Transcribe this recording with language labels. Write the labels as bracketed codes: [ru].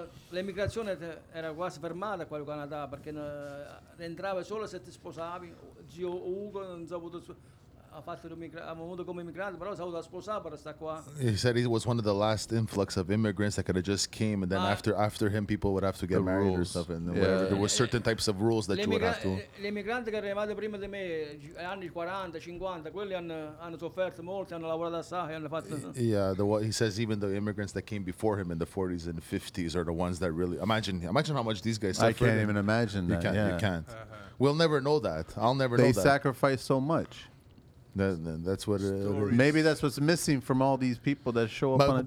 [it] L'emigrazione era quasi fermata qua in Canada, perché entrava solo se ti sposavi, zio Ugo non si è avuto... [en] He said he was one of the last influx of immigrants that could have just came, and then after him, people would have to get married or stuff. And yeah. Whatever. There were certain types of rules that you would have to. [it] Le migranti che arrivate prima di me, anni 40, 50, quelli hanno sofferto molto, hanno lavorato assai, hanno fatto. [en] Yeah, he says even the immigrants that came before him in the 40s and 50s are the ones that really imagine how much these guys suffered. I can't even imagine you that. Can't, yeah. You can't. Uh-huh. We'll never know that. I'll never know that. They sacrificed so much. That's what maybe that's what's missing from all these people that show up.